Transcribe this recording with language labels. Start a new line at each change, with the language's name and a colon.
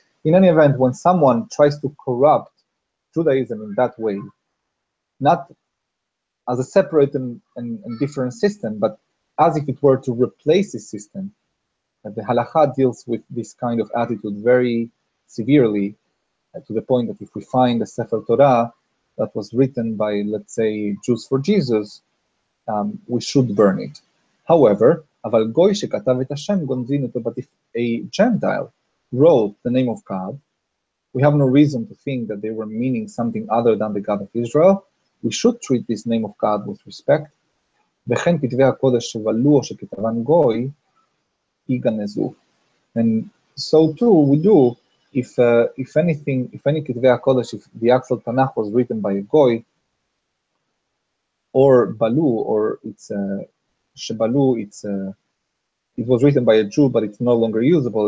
English: In any event, when someone tries to corrupt Judaism in that way, not as a separate and different system, but as if it were to replace the system, the halakha deals with this kind of attitude very severely, to the point that if we find a Sefer Torah that was written by, let's say, Jews for Jesus, we should burn it. However,
Hebrew: אבל גוי שכתב את השם גונזין אותו,
English: but if a Gentile wrote the name of God, we have no reason to think that they were meaning something other than the God of Israel. We should treat this name of God with respect.
Hebrew: וכן כתבי הקודש שבלו או שכתבן גוי, יגנזו.
English: And so too we do, if any כתבי הקודש, if the actual Tanakh was written by a goy, or balu, or it's a Shebalu, it was written by a Jew, but it's no longer usable.